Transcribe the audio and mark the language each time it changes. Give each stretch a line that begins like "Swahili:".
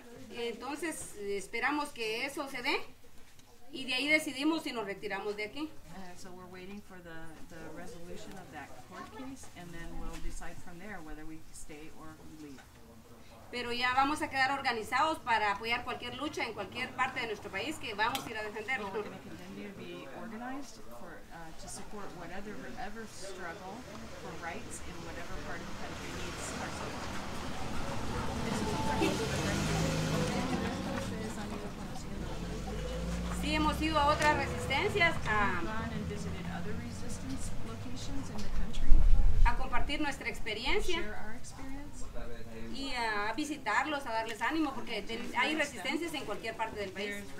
Spanish: Entonces, esperamos que eso se dé y de ahí decidimos si nos retiramos de aquí.
English: So we're waiting for the resolution of that court case, and then we'll decide from there whether we stay or leave.
Spanish: Pero ya vamos a quedar organizados para apoyar cualquier lucha en cualquier parte de nuestro país que vamos a ir a defender.
English: We're going to continue to be organized to support whatever struggle for rights in whatever part of the country needs our support.
Spanish: Sí, hemos ido a otras resistencias a compartir nuestra experiencia y a visitarlos, a darles ánimo, porque hay resistencias en cualquier parte del país.